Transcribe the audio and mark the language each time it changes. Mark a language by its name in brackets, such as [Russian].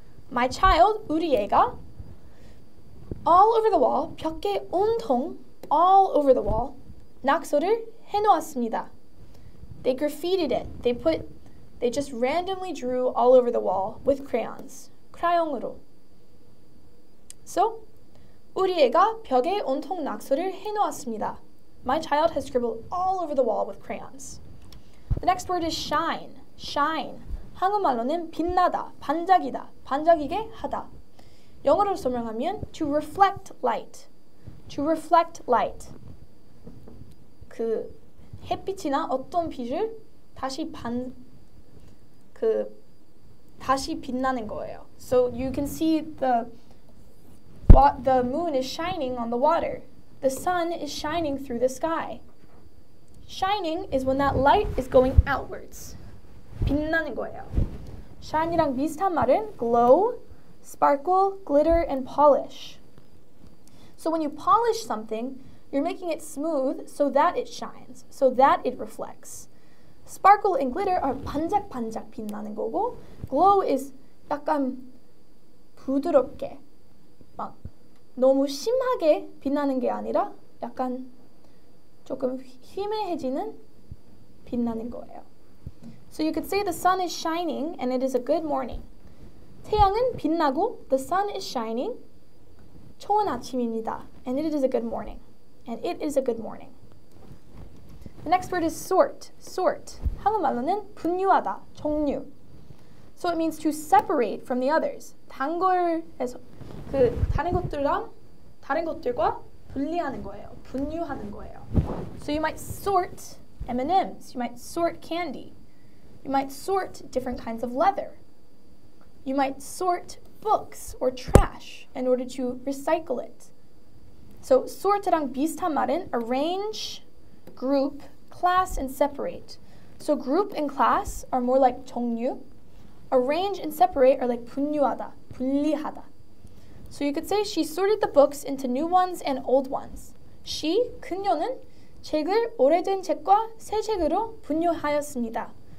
[English] My child, [Korean] 우리 애가, [English] all over the wall, [Korean] 벽에 온통, [English] all over the wall, [Korean] 낙서를 해놓았습니다. [English] They graffitied it. They just randomly drew all over the wall with crayons. [Korean] 크라용으로. So, 우리 애가 벽에 온통 낙서를 해놓았습니다. [English] My child has scribbled all over the wall with crayons. The next word is shine. Shine. [Korean] 한국말로는 빛나다, 반짝이다, 반짝이게 하다. 영어로 설명하면 [English] to reflect light. To reflect light. [Korean] 그 햇빛이나 어떤 빛을 다시 빛나는 거예요. [English] So you can see the moon is shining on the water. The sun is shining through the sky. Shining is when that light is going outwards. [Korean] 빛나는 거예요. Shine이랑 비슷한 말은 [English] glow, sparkle, glitter, and polish. So when you polish something, you're making it smooth so that it shines, so that it reflects. Sparkle and glitter are [Korean] 반짝반짝 빛나는 거고, [English] glow is [Korean] 약간 부드럽게, 막 너무 심하게 빛나는 게 아니라 약간 조금 희미해지는 빛나는 거예요. [English] So you could say the sun is shining and it is a good morning. [Korean] 태양은 빛나고 [English] the sun is shining. [Korean] 좋은 아침입니다. [English] And it is a good morning. And it is a good morning. The next word is sort. Sort. [Korean] 한국말로는 분류하다, 종류. [English] So it means to separate from the others. [Korean] 다른 것들과 분리하는 거예요. 분류하는 거예요. [English] So you might sort M&Ms. You might sort candy. You might sort different kinds of leather. You might sort books or trash in order to recycle it. So, [Korean] sort랑 비슷한 말은 [English] arrange, group, class, and separate. So, group and class are more like 종류. Arrange and separate are like [Korean] 분류하다, 분리하다. [English] So, you could say she sorted the books into new ones and old ones. [Korean] She, 그녀는 책을 오래된 책과 새 책으로 분류하였습니다.